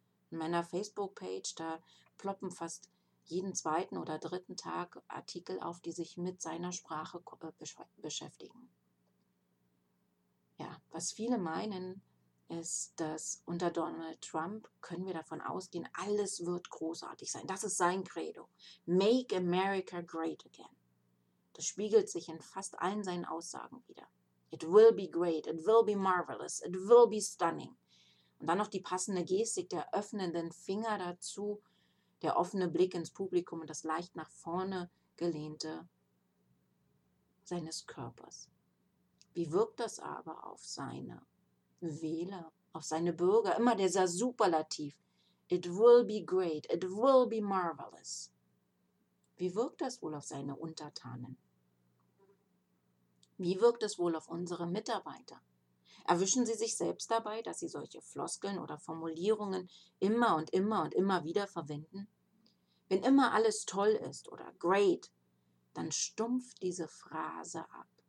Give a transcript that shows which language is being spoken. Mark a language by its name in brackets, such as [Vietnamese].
[German] In meiner Facebook-Page, da ploppen fast jeden zweiten oder dritten Tag Artikel auf, die sich mit seiner Sprache beschäftigen. Ja, was viele meinen, ist, dass unter Donald Trump können wir davon ausgehen, alles wird großartig sein. Das ist sein Credo. [English] Make America great again. [German] Das spiegelt sich in fast allen seinen Aussagen wieder. [English] It will be great, it will be marvelous, it will be stunning. [German] Und dann noch die passende Gestik der öffnenden Finger dazu, der offene Blick ins Publikum und das leicht nach vorne gelehnte seines Körpers. Wie wirkt das aber auf seine Wähler, auf seine Bürger? Immer dieser Superlativ. [English] It will be great, it will be marvelous. [German] Wie wirkt das wohl auf seine Untertanen? Wie wirkt es wohl auf unsere Mitarbeiter? Erwischen Sie sich selbst dabei, dass Sie solche Floskeln oder Formulierungen immer und immer und immer wieder verwenden? Wenn immer alles toll ist oder great, dann stumpft diese Phrase ab.